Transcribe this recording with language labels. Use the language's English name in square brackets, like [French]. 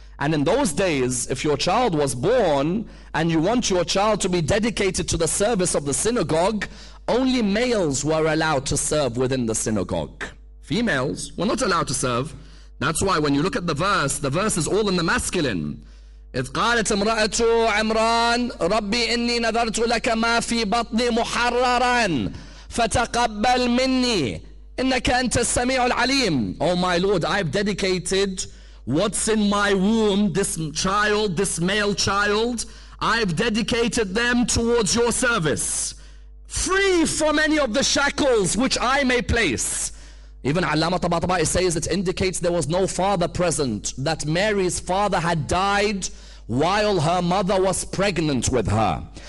[English] And in those days, if your child was born and you want your child to be dedicated to the service of the synagogue, only males were allowed to serve within the synagogue. Females were not allowed to serve. That's why when you look at the verse is all in the masculine. [Arabic] إذ قالت امرأة عمران ربي إني نذرت لك ما في بطني محررا فتقبل مني إنك أنت السميع العليم. [English] Oh my Lord, I've dedicated what's in my womb, this child, this male child, I've dedicated them towards your service, free from any of the shackles which I may place. Even Allama Tabatabai says it indicates there was no father present, that Mary's father had died while her mother was pregnant with her.